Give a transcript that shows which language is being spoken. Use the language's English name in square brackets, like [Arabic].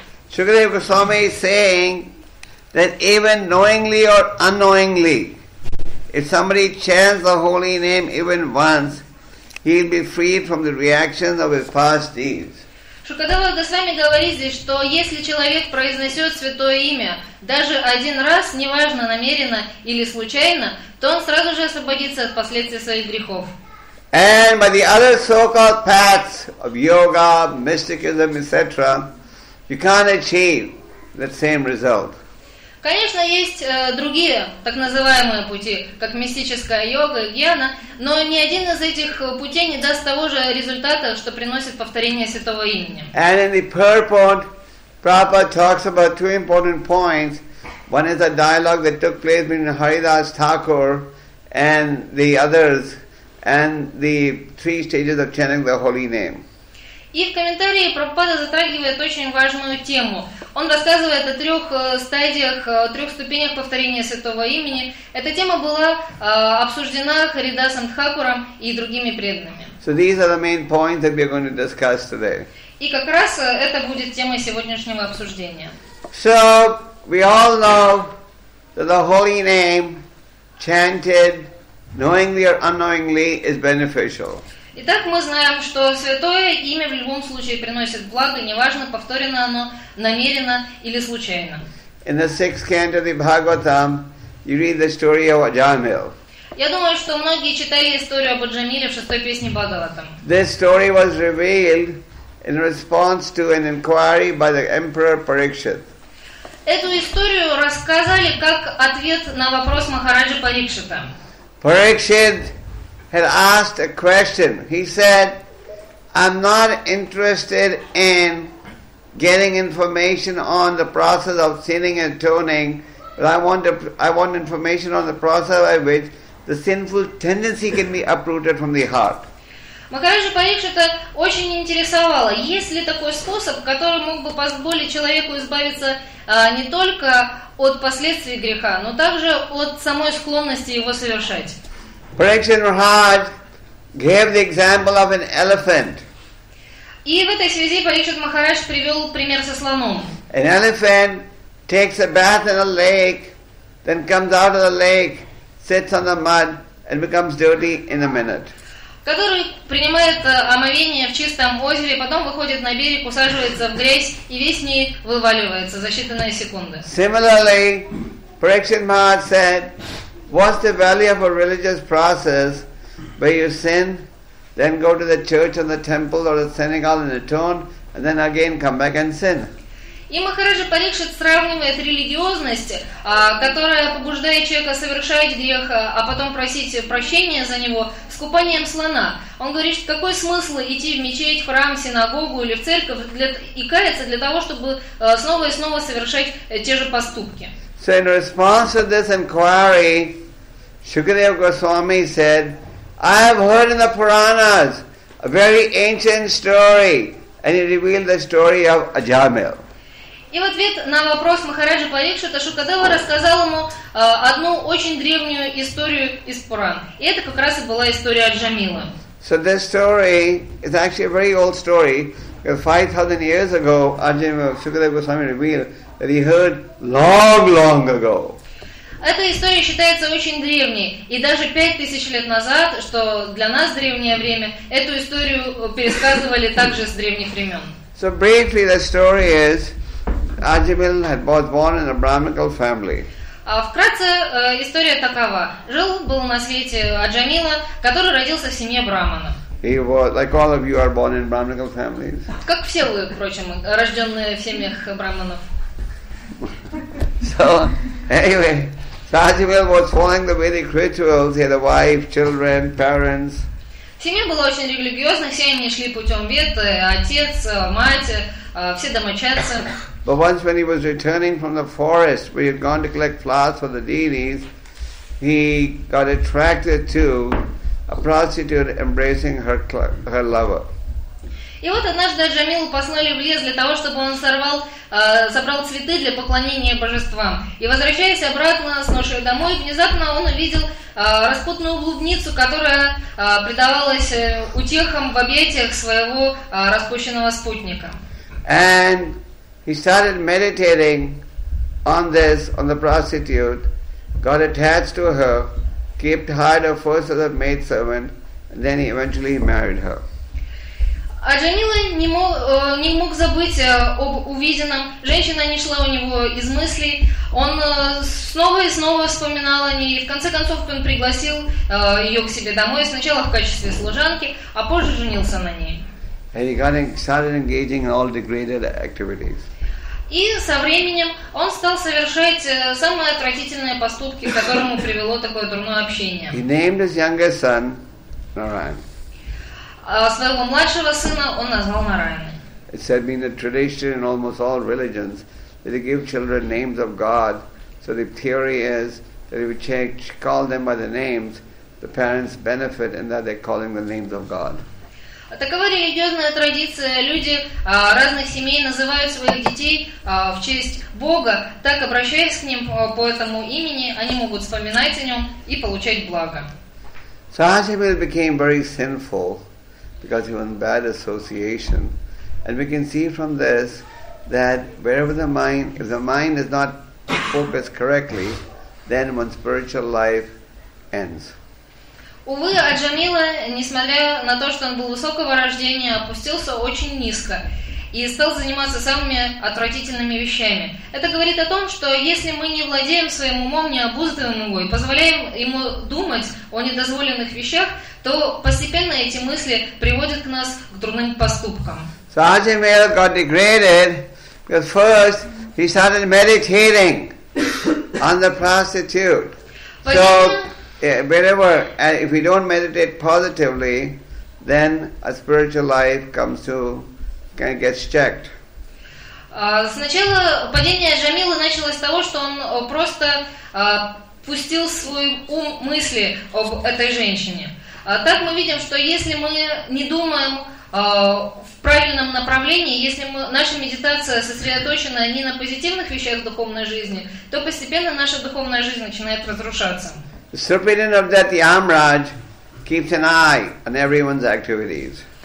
[English] Shukadev Goswami is saying that even knowingly or unknowingly, if somebody chants the holy name even once, he'll be freed from the reactions of his past deeds. [Russian] Шукадева Госвами говорит здесь, что если человек произнесет святое имя даже один раз, неважно намеренно или случайно, то он сразу же освободится от последствий своих грехов. [English] And by the other so-called paths of yoga, mysticism, etc., you can't achieve that same result. [Russian] Конечно, есть другие так называемые пути, как мистическая йога, гьяна, но ни один из этих путей не даст того же результата, что приносит повторение святого имени. [English] And in the purport, Prabhupada talks about two important points. One is a dialogue that took place between Haridas Thakur and the others, and the three stages of chanting the holy name. [Russian] И в комментарии Прабхупада затрагивает очень важную тему. Он рассказывает о трех стадиях, о трех ступенях повторения святого имени. Эта тема была обсуждена Харидасом Тхакуром и другими преданными. [English] So these are the main points that we are going to discuss today. [Russian] И как раз это будет темой сегодняшнего обсуждения. [English] So, we all know that the holy name chanted knowingly or unknowingly is beneficial. [Russian] Итак, мы знаем, что святое имя в любом случае приносит благо, неважно, повторено оно намеренно или случайно. [English] In the sixth canto of the Bhagavatam, you read the story of Ajamil. [Russian] Я думаю, что многие читали историю об Аджамиле в шестой песне Бхагаватам. [English] This story was revealed in response to an inquiry by the emperor Parikshit. [Russian] Эту историю рассказали как ответ на вопрос Махараджи Парикшита. [English] Parikshit had asked a question. He said, "I'm not interested in getting information on the process of sinning and atoning, but I want information on the process by which the sinful tendency can be uprooted from the heart." [Russian] Махараджа Парикшита очень интересовало, есть ли такой способ, который мог бы позволить человеку избавиться не только от последствий греха, но также от самой склонности его совершать. [English] Parikshit Maharaj gave the example of an elephant. [Russian] И в этой связи Парикшит Махарадж привел пример со слоном. [English] An elephant takes a bath in a lake, then comes out of the lake, sits on the mud, and becomes dirty in a minute. [Russian] Который принимает омовение в чистом озере, потом выходит на берег, усаживается в грязь и весь ней вываливается за считанные секунды. [English] Similarly, Parikshit Maharaj said, "What's the value of a religious process where you sin, then go to the church and the temple or the synagogue and atone, and then again come back and sin?" [Russian] И Махараджа Парикшит сравнивает религиозность, которая побуждает человека совершать грех, а потом просить прощения за него, с купанием слона. Он говорит, что какой смысл идти в мечеть, в храм, в синагогу или в церковь и каяться для того, чтобы снова и снова совершать те же поступки. [English] So in response to this inquiry, Shukadeva Goswami said, "I have heard in the Puranas a very ancient story," and he revealed the story of Ajamil. [Russian] И в ответ на вопрос Махараджа Парикшита Шукадева рассказал ему одну очень древнюю историю из Пуран. И это как раз и была история Аджамила. [English] So this story is actually a very old story. 5,000 years ago, Shukadeva Goswami revealed that he heard long, long ago. [Russian] Эта история считается очень древней. И даже 5,000 лет назад, что для нас древнее время, эту историю пересказывали также с древних времен. [English] So briefly, the story is, Ajamil had was born in a Brahmical family. [Russian] Вкратце, история такова. Жил-был на свете Аджамила, который родился в семье Брахмана. [English] He was, like all of you, are born in Brahmical families. [Russian] Как все вы, впрочем, рожденные в семьях Брахманов. [English] So, anyway, Ajamil was following the Vedic rituals. He had a wife, children, parents. [Russian] Семья была очень религиозной, все они шли путем Вед, отец, мать, все домочадцы. [English] But once when he was returning from the forest where he had gone to collect flowers for the deities, he got attracted to a prostitute embracing her lover. [Russian] И вот однажды Аджамилу послали в лес для того, чтобы он собрал цветы для поклонения божествам. И возвращаясь обратно с ношей домой, внезапно он увидел распутную блудницу, которая предавалась утехам в объятиях своего распущенного спутника. [English] And he started meditating on this, on the prostitute, got attached to her, kept hide her first as a maidservant, and then he eventually married her. [Russian] Аджамила не мог забыть об увиденном. Женщина не шла у него из мыслей. Он снова и снова вспоминал о ней. В конце концов, он пригласил ее к себе домой, сначала в качестве служанки, а позже женился на ней. [English] And he started engaging in all degraded activities. [Russian] И со временем он стал совершать самые отвратительные поступки, к которому привело такое дурное общение. [English] He named his youngest son Narayan. [Russian] Своего младшего сына он назвал Нарайан. [English] It's said been a tradition in almost all religions that they give children names of God. So the theory is that if you call them by the names, the parents benefit in that they're calling the names of God. [Russian] Такова религиозная традиция. Люди разных семей называют своих детей в честь Бога. Так, обращаясь к ним по этому имени, они могут вспоминать о нем и получать благо. [English] So Ajamil became very sinful because he was in bad association. And we can see from this that wherever the mind, if the mind is not focused correctly, then one's spiritual life ends. [Russian] Увы, Аджамила, несмотря на то, что он был высокого рождения, опустился очень низко и стал заниматься самыми отвратительными вещами. Это говорит о том, что если мы не владеем своим умом, не обуздываем его и позволяем ему думать о недозволенных вещах, то постепенно эти мысли приводят к нас к дурным поступкам. [English] So Аджамила got degraded because first he started meditating on the prostitute. So yeah, wherever, if we don't meditate positively, then a spiritual life comes to, kind of gets checked. [Russian] Сначала падение Джамилы началось с того, что он просто пустил свой ум мысли об этой женщине. Так мы видим, что если мы не думаем в правильном направлении, если мы, наша медитация сосредоточена не на позитивных вещах в духовной жизни, то постепенно наша духовная жизнь начинает разрушаться. [English] The superintendent of that Yamraj keeps an eye on everyone's activities.